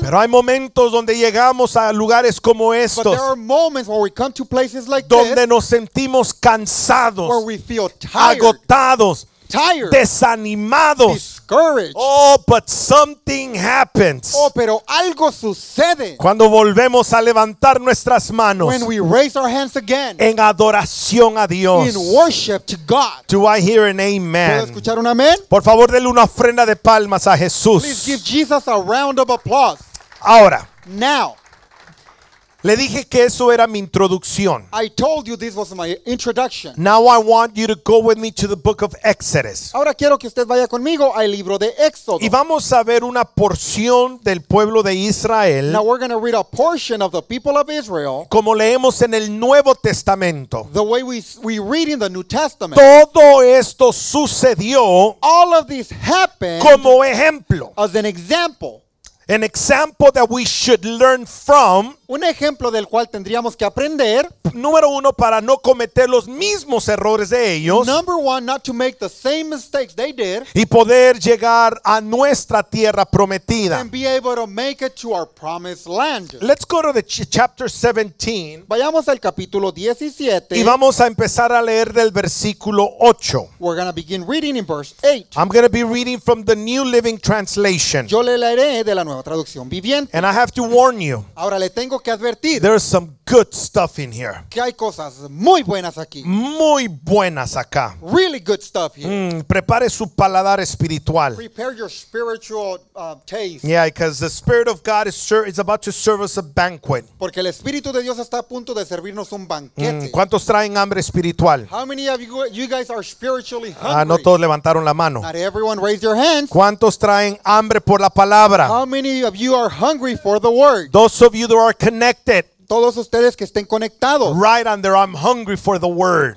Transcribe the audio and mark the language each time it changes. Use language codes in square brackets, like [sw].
[es] pero hay momentos donde llegamos a lugares como estos, [en] but there are moments where we come to places like [es] donde [en] this, [es] nos sentimos cansados. Cansados, [en] where we feel tired, [es] agotados, [en] tired, [es] desanimados, [en] discouraged. Oh, but something happens. [es] Oh, pero algo sucede. Cuando volvemos a levantar nuestras manos, [en] when we raise our hands again, [es] en adoración a Dios, [en] in worship to God. Do I hear an amen? [es] ¿Puedo escuchar un amén? Por favor, denle una ofrenda de palmas a Jesús. [en] Please give Jesus a round of applause. [es] Ahora. [en] Now. [es] Le dije que eso era mi introducción. [en] I told you this was my introduction. Now I want you to go with me to the book of Exodus. [es] Ahora quiero que usted vaya conmigo al libro de Éxodo. Y vamos a ver una porción del pueblo de Israel. [en] Now we're going to read a portion of the people of Israel. [es] Como leemos en el Nuevo Testamento. [en] The way we read in the New Testament. [es] Todo esto sucedió. [en] All of this happened. [es] Como ejemplo. [en] As an example. An example that we should learn from. [es] Un ejemplo del cual tendríamos que aprender. Número uno, para no cometer los mismos errores de ellos. [en] Number one, not to make the same mistakes they did. [es] Y poder llegar a nuestra tierra prometida. [en] And be able to make it to our promised land. Let's go to the chapter 17. [es] Vayamos al capítulo 17. Y vamos a empezar a leer del versículo 8. [en] We're going to begin reading in verse 8. I'm going to be reading from the New Living Translation. [es] Yo le leeré de la Nueva Traducción Viviente. [en] And I have to warn you. [es] Ahora le tengo que advertir. [en] There's some good stuff in here. [es] Que hay cosas muy buenas aquí. Muy buenas acá. [en] Really good stuff here. [es] Prepare su paladar espiritual. [en] Prepare your spiritual taste. Yeah, because the Spirit of God is about to serve us a banquet. [es] Porque el Espíritu de Dios está a punto de servirnos un banquete. ¿Cuántos traen hambre espiritual? [en] How many of you guys are spiritually hungry? [es] No todos levantaron la mano. [en] Not everyone raised their hands. [es] ¿Cuántos traen hambre por la palabra? [en] How many of you are hungry for the word? Those of you that are connected. [es] Todos ustedes que estén conectados. [en] Right under, I'm hungry for the word.